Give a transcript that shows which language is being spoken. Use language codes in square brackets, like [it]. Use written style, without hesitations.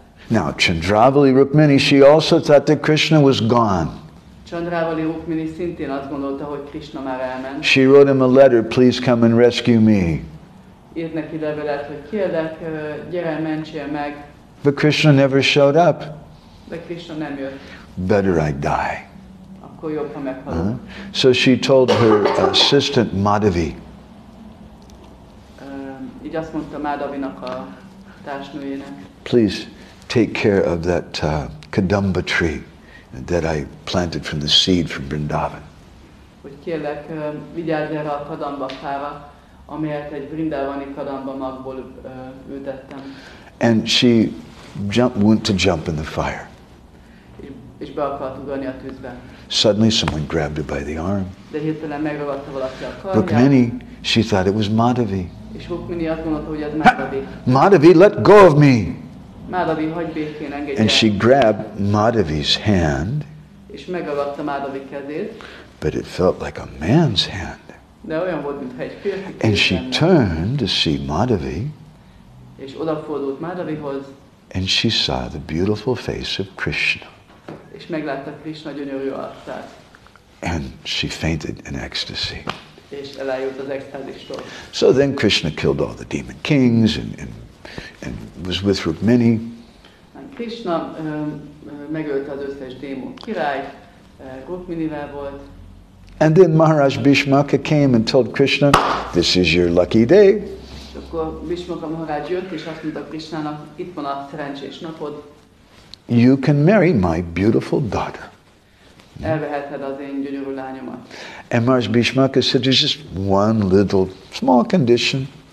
[en] Now, Chandravali Rukmini, she also thought that Krishna was gone. [hu] Chandravali Rukmini szintén azt gondolta, hogy Krishna már elment. [en] She wrote him a letter, please come and rescue me. [hu] Írt neki levelet, hogy kérlek, gyere, mentsél meg. [en] But Krishna never showed up. [hu] De Krishna nem jött. [en] Better I die. [hu] Akkor jobb, ha meghalok. Uh-huh. [en] So she told her assistant Madhavi. [hu] Így azt mondta Madhavinak a társnőjének. [en] Please take care of that kadamba tree that I planted from the seed from Vrindavan. [hu] Hogy kérlek, vigyázz erre a kadamba fára, amelyet egy vrindavani kadamba magból ültettem. [en] And she went to jump in the fire. [hu] És be akart ugrani a tűzbe. [en] Suddenly someone grabbed her by the arm. [hu] De hirtelen megragadta valaki a karját. [en] Rukmini, she thought it was Madhavi. [hu] És Rukmini azt gondolta, hogy ez Madhavi. [en] Madhavi, let go of me! [hu] Madhavi, hagyj békén, engedj el. [en] And she grabbed Madhavi's hand. [hu] És megragadta Madhavi kezét. [en] But it felt like a man's hand. [hu] De olyan volt, mintha egy férfi. [en] And she turned to see Madhavi. [hu] És odafordult Madhavihoz. [en] And she saw the beautiful face of Krishna. [hu] És meglátta Krishna gyönyörű arcát. [en] And she fainted in ecstasy. [hu] És elájult az extázistól. [en] So then Krishna killed all the demon kings and was with Rukmini. [hu] Krishna megölte az összes démon király, Rukminivel volt. [en] And then Maharaj Bhishmaka came and told Krishna, this is your lucky day. [hu] Akkor Bhishmaka Maharaj jött és azt mondta Krishnának, itt van a szerencsés napod. [en] You can marry my beautiful daughter. [hu] Elveheted az én gyönyörű lányomat. [en] And Maharaj Bhishmaka said, there's just one little small condition.